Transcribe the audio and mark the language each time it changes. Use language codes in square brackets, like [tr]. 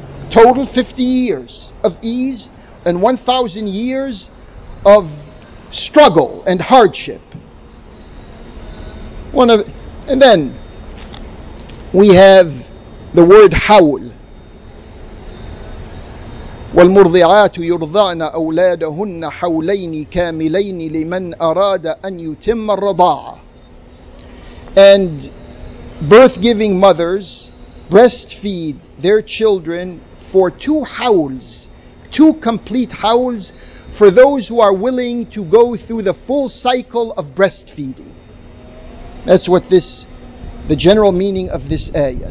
[en] Total 50 years of ease and 1,000 years of struggle and hardship. And then we have the word hawl. [ar] والمرضعات يرضعن أولادهن حولين كاملين لمن أراد أن يتم الرضاعة. [en] And birth-giving mothers breastfeed their children for two hawls, two complete hawls, for those who are willing to go through the full cycle of breastfeeding. That's what the general meaning of this ayah.